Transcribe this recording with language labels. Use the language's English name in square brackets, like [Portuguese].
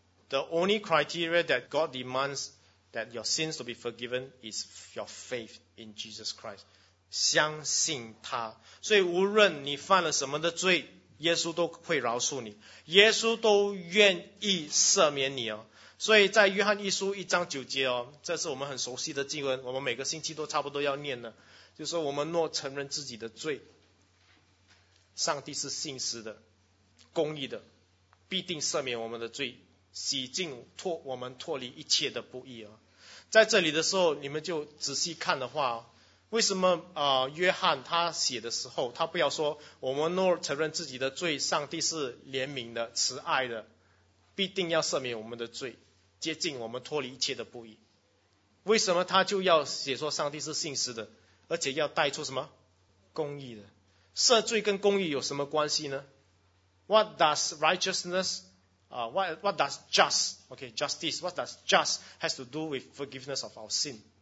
[English] The only criteria that God demandsThat your sins to be forgiven is your faith in Jesus Christ. [Chinese] 相信他。所以无论你犯了什么的罪，耶稣都会饶恕你，耶稣都愿意赦免你。所以在约翰一书一章九节哦，这是我们很熟悉的经文，我们每个星期都差不多要念的，就是说我们若承认自己的罪，上帝是信实的、公义的，必定赦免我们的罪，洗净我们脱离一切的不义啊。在这里的时候，你们就仔细看的话，为什么约翰他写的时候，他不要说我们若承认自己的罪，上帝是怜悯的、慈爱的，必定要赦免我们的罪，接近我们脱离一切的不义。为什么他就要写说上帝是信实的，而且要带出什么公义的？赦罪跟公义有什么关系呢？ [English] What does righteousness what does justice has to do with forgiveness of our sin?